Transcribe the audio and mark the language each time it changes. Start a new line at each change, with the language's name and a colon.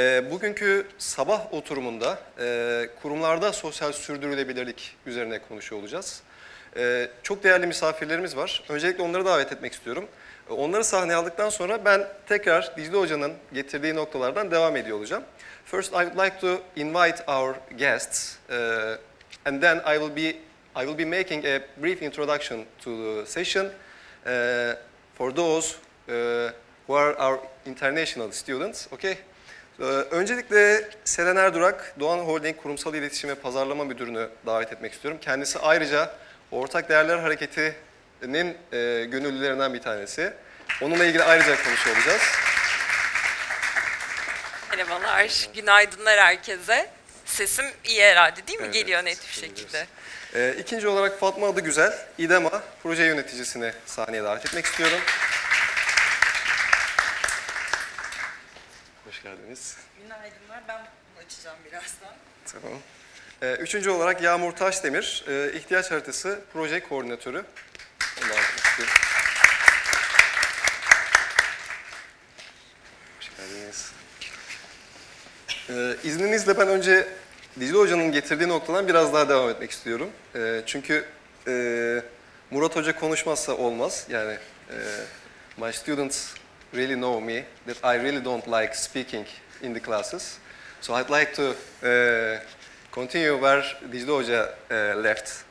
Turkish: Bugünkü sabah oturumunda kurumlarda sosyal sürdürülebilirlik üzerine konuşuyor olacağız. Çok değerli misafirlerimiz var. Öncelikle onları davet etmek istiyorum. Onları sahneye aldıktan sonra ben tekrar Dicle Hoca'nın getirdiği noktalardan devam ediyor olacağım.
English: First I would like to invite our guests and then I will be making a brief introduction to the session for those who are our international students. Okay?
Turkish: Öncelikle Selen Erdurak, Doğan Holding Kurumsal İletişim ve Pazarlama Müdürünü davet etmek istiyorum. Kendisi ayrıca Ortak Değerler Hareketi'nin gönüllülerinden bir tanesi. Onunla ilgili ayrıca konuşuyor olacağız. Merhabalar, günaydınlar herkese. Sesim iyi herhalde değil mi? Evet, geliyor net bir şekilde. İkinci olarak Fatma adı güzel, İdema proje yöneticisini sahneye davet etmek istiyorum. Hoş geldiniz. Günaydınlar, ben bunu açacağım birazdan. Tamam. Üçüncü olarak Yağmur Taşdemir, ihtiyaç haritası proje koordinatörü. Hoş geldiniz. İzninizle ben önce Dicle Hoca'nın getirdiği noktadan biraz daha devam etmek istiyorum. Çünkü Murat Hoca konuşmazsa olmaz.
English: Yani my students really know me that I really don't like speaking in the classes. So I'd like to continue where Dicle Hoca left.